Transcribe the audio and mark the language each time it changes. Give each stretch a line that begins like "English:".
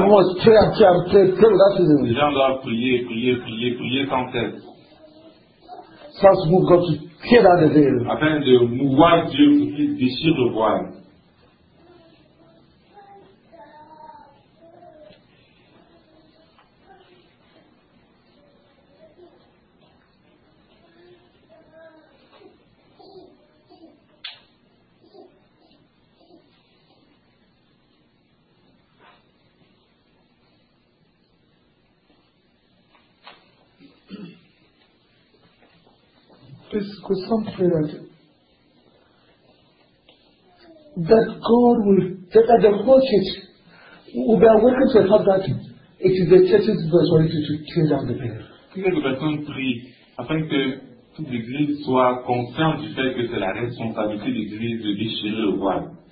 English: People must pray and pray and pray, pray without ceasing.
French: Les gens doivent prier, prier, prier, prier sans cesse.
English: So as move God to tear down the veil.
French: Afin de mouvoir Dieu pour qu'il déchire le voile.
English: Because some pray that God will, that the whole church will be awakened to the fact that it is the church's responsibility to change up the prayer.
French: Quelques personnes prient afin que toute l'église soit consciente du fait que c'est la responsabilité de l'église de déchirer le voile.